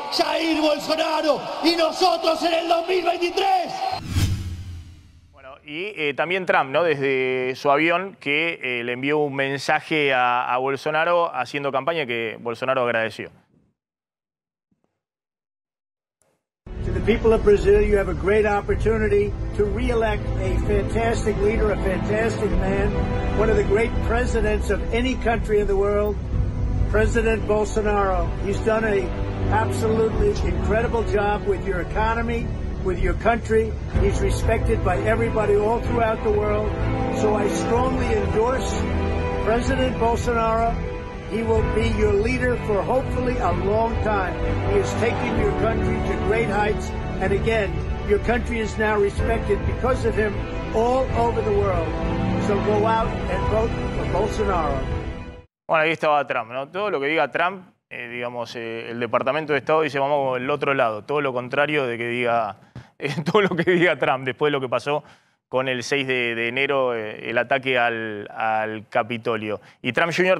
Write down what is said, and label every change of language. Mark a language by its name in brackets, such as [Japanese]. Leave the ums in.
[Spanish] Jair Bolsonaro y nosotros en el 2023 y eh, también Trump, ¿no? Desde su avión, que eh, le envió un mensaje a, a Bolsonaro haciendo campaña que Bolsonaro agradeció. [English] To the people of Brazil, you have a great opportunity to reelect a fantastic leader, a fantastic man, one of the great presidents of any country in the world, President Bolsonaro. He's done an absolutely incredible job with your economy. with your country. He's respected by everybody all throughout the world. So I strongly endorse President Bolsonaro. He will be your leader for hopefully a long time. He has taken your country to great heights. And again, your country is now respected because of him all over the world. So go out and vote for Bolsonaro. [Spanish] Bueno, ahí estaba Trump, ¿no? Todo lo que diga Trump Eh, digamos, eh, el Departamento de Estado dice vamos al otro lado, todo lo contrario de que diga eh, todo lo que diga Trump después de lo que pasó con el 6 de, de enero, eh, el ataque al, al, Capitolio. Y Trump Jr.